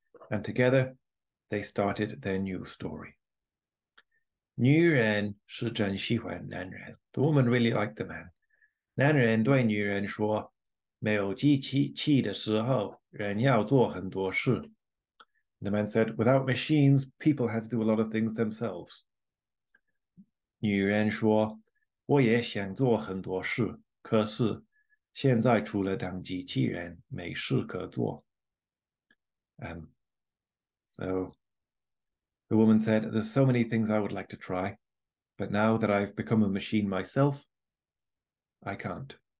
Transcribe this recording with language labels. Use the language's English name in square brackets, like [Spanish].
[English] And together, they started their new story. [Chinese] 女人是真喜欢男人. [English] The woman really liked the man. [Chinese] 男人对女人说, 没有机器的时候,人要做很多事. [English] The man said, without machines, people had to do a lot of things themselves. [Chinese] 女人说,我也想做很多事,可是现在除了当机器人,没事可做. [English] So, the woman said, there's so many things I would like to try, but now that I've become a machine myself, I can't.